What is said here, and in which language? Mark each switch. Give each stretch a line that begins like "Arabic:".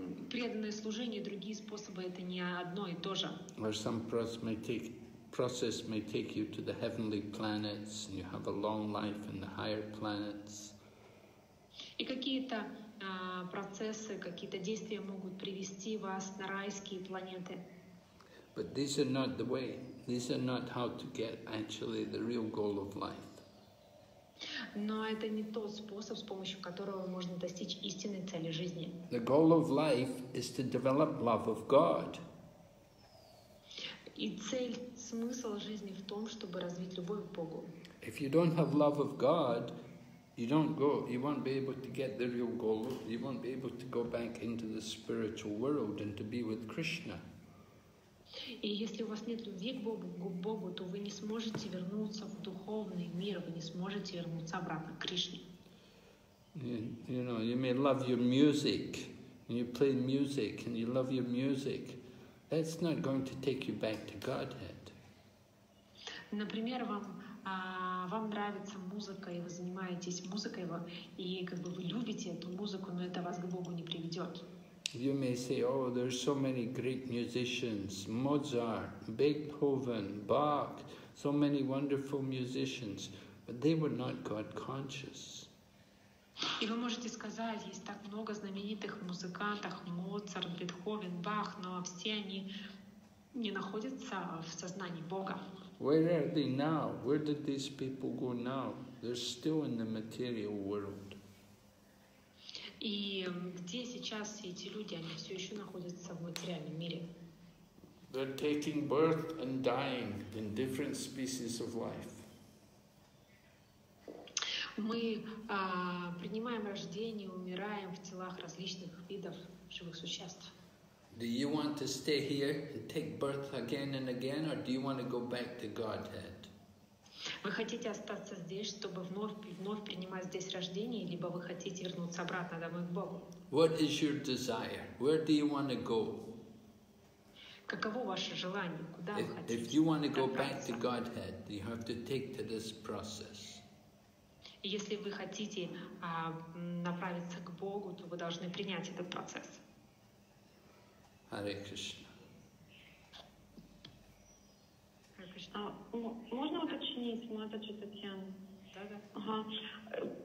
Russian: преданное служение и другие способы это не одно и то же.
English: Or some process may take you to the heavenly planets, and you have a long life in the higher planets.
Russian: И какие-то процессы, какие-то действия могут привести вас на райские планеты.
English: But these are not the way. These are not how to get actually the real goal of life.
Russian: Но это не тот способ, с помощью которого можно достичь истинной цели жизни.
English: The goal of life is to develop love of God.
Russian: И цель, смысл жизни в том, чтобы развить любовь к Богу.
English: If you don't have love of God, you don't go, you won't be able to get the real goal, you won't be able to go back into the spiritual world and to be with Krishna.
Russian: И если у вас нет любви к Богу, то вы не сможете вернуться в духовный мир, вы не сможете вернуться обратно к Кришне.
English: You know, you may love your music, and you play music, and you love your music. That's not going to take you back to Godhead.
Russian: Например, вам нравится музыка, и вы занимаетесь музыкой, и как бы вы любите эту музыку, но это вас к Богу не приведет.
English: You may say, oh, there's so many great musicians, Mozart, Beethoven, Bach, so many wonderful musicians, but they were not God conscious.
Russian: И вы можете сказать, есть так много знаменитых музыкантов, Моцарт, Бетховен, Бах, но все они не находятся в сознании Бога.
English: Where are they now? Where did these people go now? They're still in the material world.
Russian: И где сейчас эти люди? Они все еще находятся в материальном мире.
English: They're taking birth and dying in different species of life.
Russian: Мы принимаем рождение, умираем в телах различных видов живых существ.
English: Do you want to stay here and take birth again and again, or do you want to go back to Godhead?
Russian: Вы хотите остаться здесь, чтобы вновь принимать здесь рождение, либо вы хотите вернуться обратно домой к Богу?
English: What is your desire? Where do you want to go?
Russian: Каково ваше желание? Куда вы хотите?
English: If you want to go back to Godhead, you have to take to this process.
Russian: Если вы хотите направиться к Богу, то вы должны принять этот процесс.
Sanskrit: Hare Krishna.
Russian: Можно уточнить, Матаджи Татьяна? Да-да. Ага.